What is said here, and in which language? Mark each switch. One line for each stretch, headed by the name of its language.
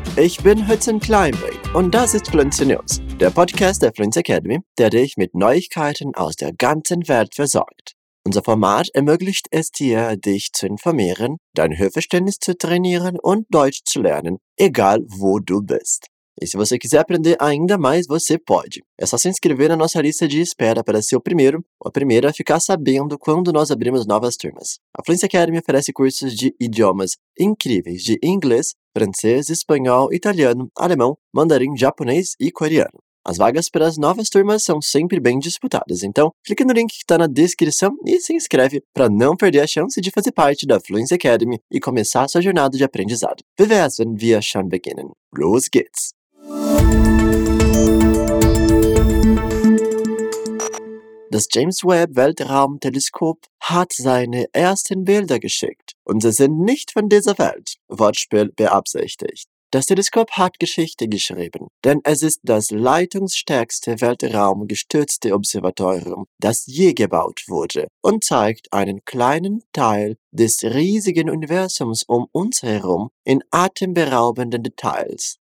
German: Ich bin Hudson Kleinbrink und das ist Fluency News, der Podcast der Fluency Academy, der dich mit Neuigkeiten aus der ganzen Welt versorgt. Unser Format ermöglicht es dir, dich zu informieren, dein Hörverständnis zu trainieren und Deutsch zu lernen, egal wo du bist.
Portuguese: E se você quiser aprender ainda mais, você pode. É só se inscrever na nossa lista de espera para ser o primeiro ou a primeira a ficar sabendo quando nós abrimos novas turmas. A Fluency Academy oferece cursos de idiomas incríveis de inglês, francês, espanhol, italiano, alemão, mandarim, japonês e coreano. As vagas para as novas turmas são sempre bem disputadas, então clique no link que está na descrição e se inscreve para não perder a chance de fazer parte da Fluency Academy e começar a sua jornada de aprendizado.
German: Vive as wenn wir schon beginnen. Los geht's! Das James Webb Weltraumteleskop hat seine ersten Bilder geschickt und sie sind nicht von dieser Welt. Wortspiel beabsichtigt. Das Teleskop hat Geschichte geschrieben, denn es ist das leitungsstärkste weltraumgestützte Observatorium, das je gebaut wurde und zeigt einen kleinen Teil des riesigen Universums um uns herum in atemberaubenden Details.